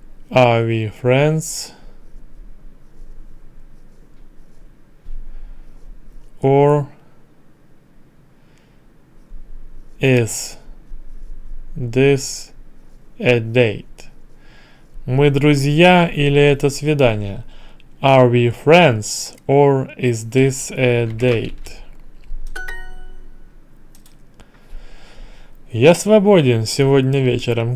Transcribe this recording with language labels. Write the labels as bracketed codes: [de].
[en] Are we friends or is this a date? [ru] Мы друзья или это свидание? [en] Are we friends or is this a date? [ru] Я свободен сегодня вечером.